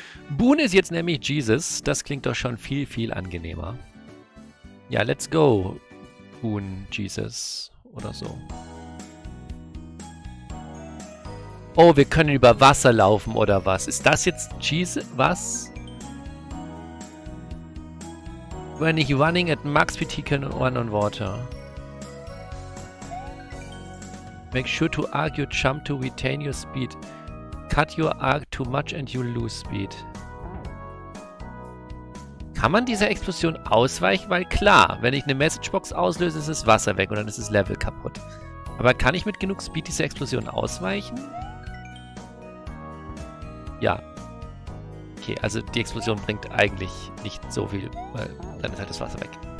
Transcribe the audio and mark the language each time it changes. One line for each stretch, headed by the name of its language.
German: Boone ist jetzt nämlich Jesus. Das klingt doch schon viel, viel angenehmer. Ja,
English: let's go,
German: Boone Jesus oder so. Oh, wir können über Wasser laufen oder was? Ist das jetzt Jesus? Was?
English: We're
German: nicht
English: running at max speed, he can run on water. Make sure to arc your jump to retain your speed. Cut your arc too much and you lose speed.
German: Kann man dieser Explosion ausweichen? Weil klar, wenn ich eine Messagebox auslöse, ist das Wasser weg und dann ist das Level kaputt. Aber kann ich mit genug Speed dieser Explosion ausweichen? Ja. Okay, also die Explosion bringt eigentlich nicht so viel, weil dann ist halt das Wasser weg.